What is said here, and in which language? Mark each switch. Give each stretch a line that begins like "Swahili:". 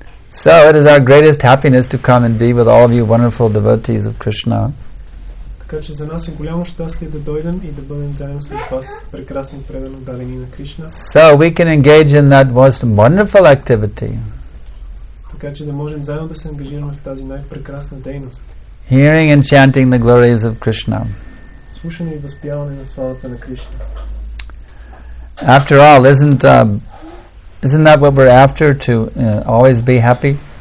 English: So it is our greatest happiness to come and be with all of you wonderful devotees of Krishna.
Bulgarian: Така че за нас е голямо щастие да дойдем и да бъдем заедно с вас прекрасни предано дарени на Кришна.
English: So we can engage in that most wonderful activity.
Bulgarian: Така че да можем заедно да се ангажираме в тази най-прекрасна дейност.
English: Hearing and chanting the glories of Krishna.
Bulgarian: Слушане и възпяване на славата на Кришна.
English: After all, isn't that what we're after, to always be happy?